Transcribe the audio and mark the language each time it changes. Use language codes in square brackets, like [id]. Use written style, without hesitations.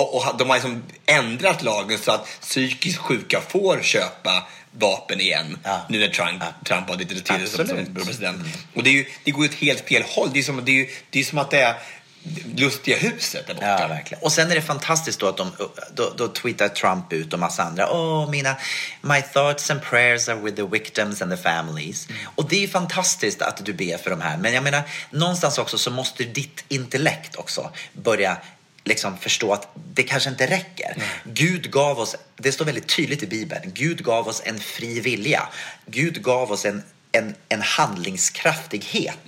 [sv] och de har liksom ändrat lagen så att psykiskt sjuka får köpa vapen igen. Ja. Nu när Trump har lite tid som president. Mm. Och det går ju ett helt fel håll. Det är som att det är lustiga huset där borta. Ja, verkligen. Och sen är det fantastiskt då att då twittrar Trump ut och massa andra. [en] My thoughts and prayers are with the victims and the families. Mm. [sv] Och det är ju fantastiskt att du ber för de här. Men jag menar, någonstans också så måste ditt intellekt också börja liksom förstå att det kanske inte räcker. Mm. Gud gav oss, det står väldigt tydligt i Bibeln, Gud gav oss en fri vilja. Gud gav oss en handlingskraftighet.